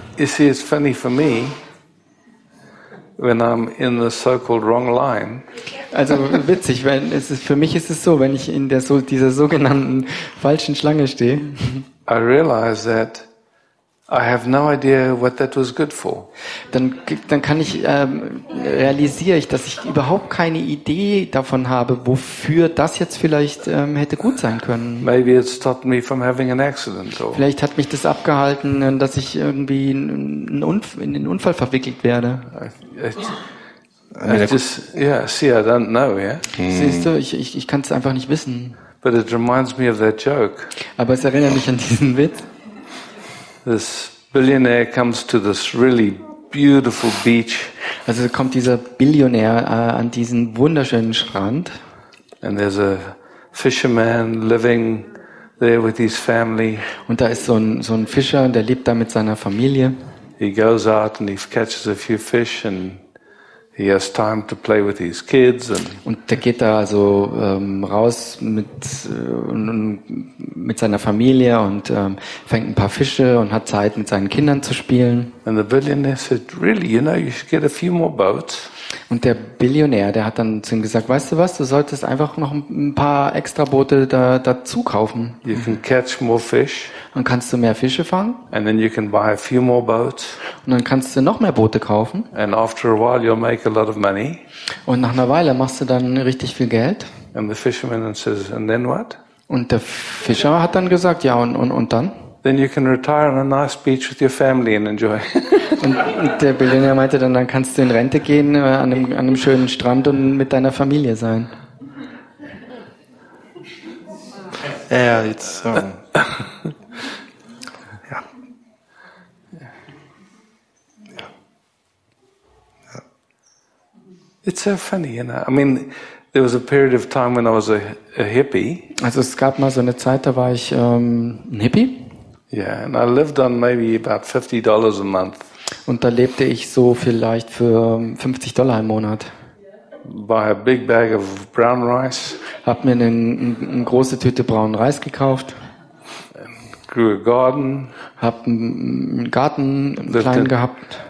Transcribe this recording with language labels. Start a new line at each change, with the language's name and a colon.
English: You see, it's funny for me, when I'm in the so-called wrong line.
German: Also witzig, wenn es ist, für mich ist es so, wenn ich in der dieser sogenannten falschen Schlange stehe.
English: I realize that. I have no idea what that was good for.
German: Dann kann ich realisiere ich, dass ich überhaupt keine Idee davon habe, wofür das jetzt vielleicht hätte gut sein können.
English: Maybe it stopped me from having an accident. Or
German: vielleicht hat mich das abgehalten, dass ich irgendwie in einen Unfall verwickelt werde.
English: I don't know, yeah.
German: Siehst du, ich kann es einfach nicht wissen.
English: But it reminds me of that joke.
German: Aber es erinnert mich an diesen Witz.
English: This billionaire comes to this really beautiful beach.
German: Also kommt dieser Billionär an diesen wunderschönen Strand.
English: And there's a fisherman living there with his family.
German: Und da ist so ein Fischer, der lebt da mit seiner Familie.
English: He goes out and he catches a few fish and he has time to play with his kids and.
German: Und der geht da also raus mit seiner Familie und fängt ein paar Fische und hat Zeit mit seinen Kindern zu spielen.
English: And the billionaire said, really, you know, you should get a few more boats.
German: Und der Billionär, der hat dann zu ihm gesagt, weißt du was, du solltest einfach noch ein paar extra Boote dazu kaufen.
English: You can catch more fish.
German: Dann kannst du mehr Fische fangen.
English: And then you can buy a few more boats.
German: Und dann kannst du noch mehr Boote kaufen.
English: And after a while you'll make a lot of money.
German: Und nach einer Weile machst du dann richtig viel Geld.
English: And the fisherman says, and then what?
German: Und der Fischer hat dann gesagt, ja, und dann?
English: Then you can retire on a nice beach with your family and enjoy.
German: Und der Billionär meinte dann kannst du in Rente gehen an einem schönen Strand und mit deiner Familie sein.
English: Yeah, it's It's so funny, you know. I mean, there was a period of time when I was a hippie.
German: Also es gab mal so eine Zeit, da war ich ein Hippie.
English: Yeah, and I lived on maybe about $50 a month.
German: Und da lebte ich so vielleicht für $50 im Monat.
English: Buy a big bag of brown rice.
German: Hab mir eine große Tüte braunen Reis gekauft.
English: Grew a garden.
German: Hab einen Garten klein gehabt.